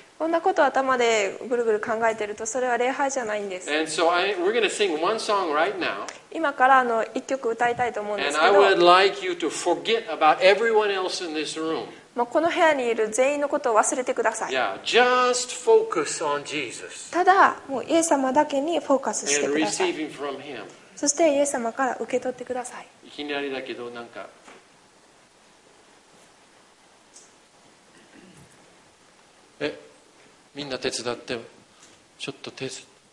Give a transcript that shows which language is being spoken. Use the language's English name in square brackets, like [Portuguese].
[Japanese] こんなことを頭でぐるぐる考えているとそれは礼拝じゃないんです。 [English] And so we're going to sing one song right now. [Japanese] 今から一曲歌いたいと思うんですけど。 [English] And I would like you to forget about everyone else in this room. [Japanese] まあ、この部屋にいる全員のことを忘れてください。 [English] Yeah, just focus on Jesus. [Japanese] ただ、もうイエス様だけにフォーカスしてください。 [English] And receiving from him. [Japanese] そして、イエス様から受け取ってください。いきなりだけど、なんか。みんな手伝って、ちょっと手伝って。